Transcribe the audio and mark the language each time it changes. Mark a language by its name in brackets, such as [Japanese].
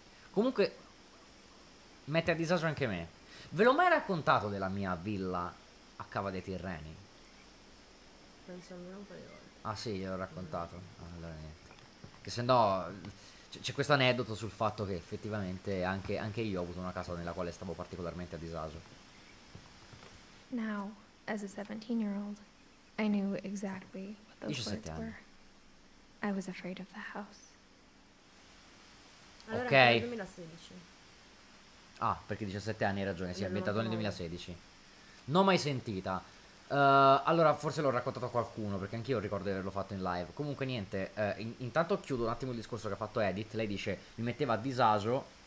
[Italian] Comunque mette a disagio anche me. Ve l'ho mai raccontato della mia villa a Cava dei Tirreni? Penso almeno un paio di volte. Ah sì, gliel'ho raccontato. Allora niente. Che se no... C'è questo aneddoto sul fatto che effettivamente anche io ho avuto una casa nella quale stavo particolarmente a disagio. [English] Now, as a 17-year-old, I knew exactly what those words were. I was afraid of the house. [Italian] Allora, okay. 2016. Ah, perché 17 anni, hai ragione, si è ambientato nel 2016. Non mai sentita. Allora forse l'ho raccontato a qualcuno, perché anch'io ricordo di averlo fatto in live. Comunque niente, intanto chiudo un attimo il discorso che ha fatto Edith. Lei dice mi metteva a disagio.